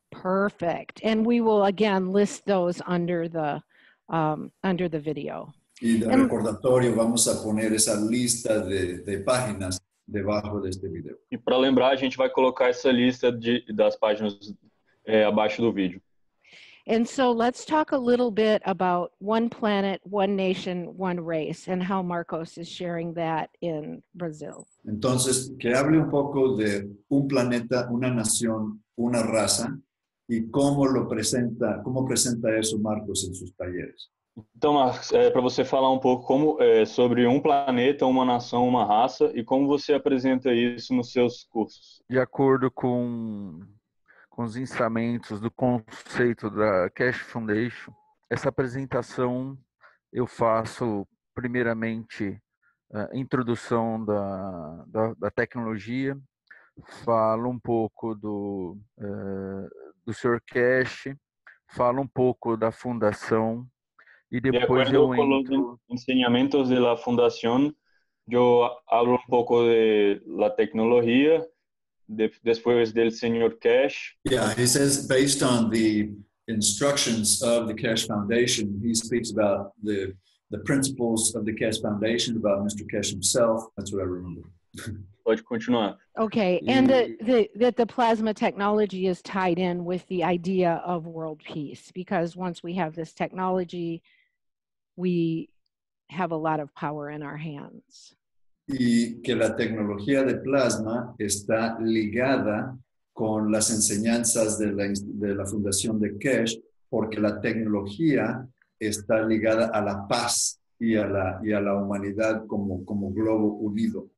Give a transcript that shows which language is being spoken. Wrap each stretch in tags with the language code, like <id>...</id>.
<en>Perfect. And we will again list those under the video.</en> <es>Y de recordatorio vamos a poner esa lista de páginas debajo de este video.</es> <pt>Y para lembrar, a gente vai colocar essa lista das páginas abaixo do vídeo.</pt> <en>And so let's talk a little bit about one planet, one nation, one race, and how Marcos is sharing that in Brazil.</en> <es>Entonces, que hable un poco de un planeta, una nación, una raza, y cómo lo presenta, cómo presenta eso Marcos en sus talleres.</es> <pt>Então, Marcos, para você falar um pouco como, sobre um planeta, uma nação, uma raça e como você apresenta isso nos seus cursos. De acordo com os ensinamentos do conceito da Keshe Foundation, essa apresentação eu faço primeiramente a introdução da tecnologia, falo um pouco do Sr. Keshe, falo um pouco da fundação. E depois de acordo com os ensinamentos da fundação, eu falo um pouco da tecnologia, depois do Sr. Keshe.</pt> <en>Yeah, he says based on the instructions of the Keshe Foundation, he speaks about the principles of the Keshe Foundation, about Mr. Keshe himself. That's what I remember.</en> <pt>Pode continuar.</pt> <en>Okay, and the plasma technology is tied in with the idea of world peace, because once we have this technology, we have a lot of power in our hands.</en> <es>Y que la tecnología de plasma está ligada con las enseñanzas de la Fundación de Keshe, porque la tecnología está ligada a la paz y a la humanidad como globo unido.</es>